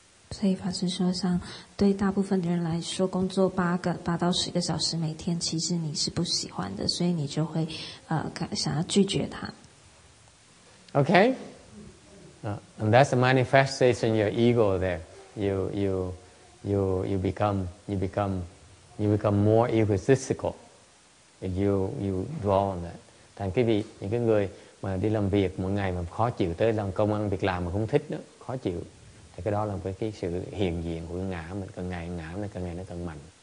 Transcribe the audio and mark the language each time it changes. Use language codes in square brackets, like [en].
[zh] 所以法师说像对大部分的人来说工作8到10个小时每天其实你是不喜欢的所以你就会想要拒绝它。 [en] Okay? And that's the manifestation of your ego there. You become more egotistical if you dwell on that. [vi] Thành quý vị, những cái người mà đi làm việc mỗi ngày mà khó chịu tới làm công ăn việc làm mà không thích nữa, khó chịu, thì cái đó là một cái sự hiện diện của ngã mình, càng ngày nó càng mạnh.